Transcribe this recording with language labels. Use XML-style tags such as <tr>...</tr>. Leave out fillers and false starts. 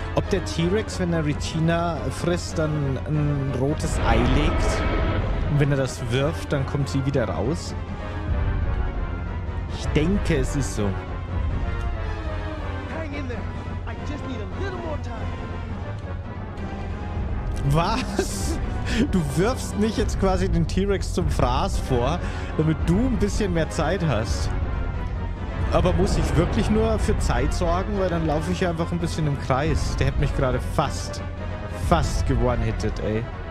<de>Der T-Rex, wenn er Regina frisst, dann ein rotes Ei legt. Und wenn er das wirft, dann kommt sie wieder raus. Ich denke, es ist so.</de> <en>Hang in there. I just need a little more time.</en> <de>Was? Du wirfst nicht jetzt quasi den T-Rex zum Fraß vor, damit du ein bisschen mehr Zeit hast. Aber muss ich wirklich nur für Zeit sorgen, weil dann laufe ich einfach ein bisschen im Kreis. Der hat mich gerade fast gewone-hitted, ey.</de>